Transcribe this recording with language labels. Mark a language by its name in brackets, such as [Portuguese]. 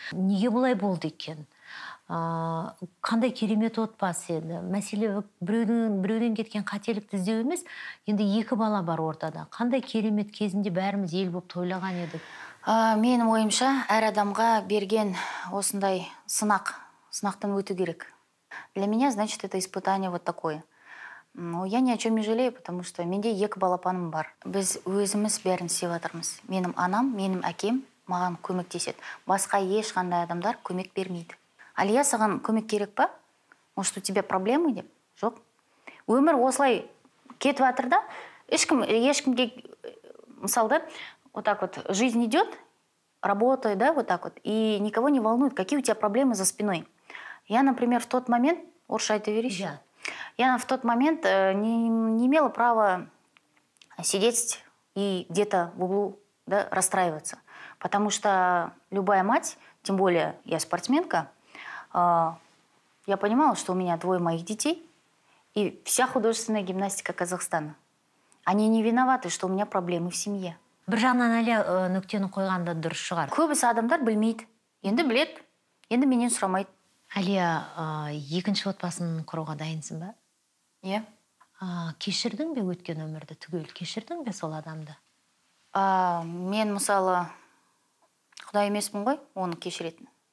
[Kazakh] Неге бұлай болды екен? Қандай керемет отбасы еді? Мәселе біреуден кеткен қателікті іздеу емес, енді екі бала бар ортада. Қандай керемет кезінде бәріміз ел болып тойлаған едік? Менің ойымша әр адамға берген осындай сынақтан өту керек. [Russian] Для меня, значит, это испытание вот такое. Но я ни о чем не жалею, потому что [Kazakh] менде екі балапаным бар. Біз өзіміз бәрін істеп атырмыз. Менің анам, менің әкем маған көмектеседі. Басқа ешқандай адамдар көмек бермейді. Алия, саған көмек керек па? [Russian] Может, у тебя проблемы деп? [Kazakh] Жоқ. Өмір осылай кетіп атырда, ешкімге, мысалы, [Russian] вот так вот, жизнь идет, работает, да, вот так вот, и никого не волнует, какие у тебя проблемы за спиной. Я, например, в тот момент, Орша, ты веришь? Я в тот момент не имела права сидеть и где-то в углу, да, расстраиваться. Потому что любая мать, тем более я спортсменка, я понимала, что у меня двое моих детей и вся художественная гимнастика Казахстана. Они не виноваты, что у меня проблемы в семье. [Kazakh] Бір жағынан әлі нүктені қойғанда дұрыс шығар. Көбісі адамдар білмейді. Енді біледі. Енді менен сұрамайды. Алия, екінші отбасын құруға дайынсың ба? Е. Кешірдің бе өткен өмірді, түгел кешірдің бе сол адамды? Мен, мысалы, құдай емеспін ғой, оны кешіретін.